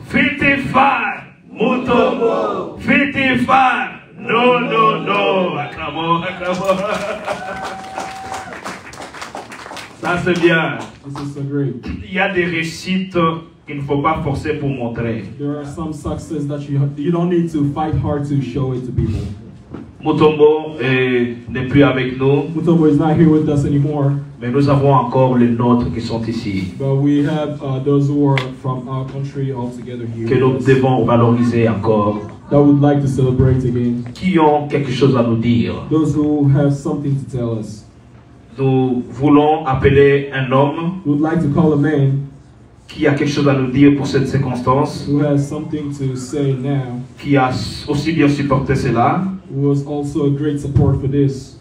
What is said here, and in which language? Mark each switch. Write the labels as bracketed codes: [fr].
[en] 55 Mutombo. 55 No, no, no! [fr] Acclamons! Ça, c'est bien! [en] This is so great. [fr] Il y a des réussites qu'il ne faut pas forcer pour montrer. [en] There are some successes that you don't need to fight hard to show it to people. [fr] Mutombo n'est plus avec nous. [en] Mutombo is not here with us anymore. [fr] Mais nous avons encore les nôtres qui sont ici. [en] But we have those who are from our country all together here. [fr] Que nous devons valoriser encore. [en] That would like to celebrate again. [fr] Qui ont quelque chose à nous dire. [en] Those who have something to tell us. [fr] Nous voulons appeler un homme. [en] We would like to call a man. [fr] Qui a quelque chose à nous dire pour cette circonstance. [en] Who has something to say now. [fr] Qui a aussi bien supporté cela. [en] Who was also a great support for this.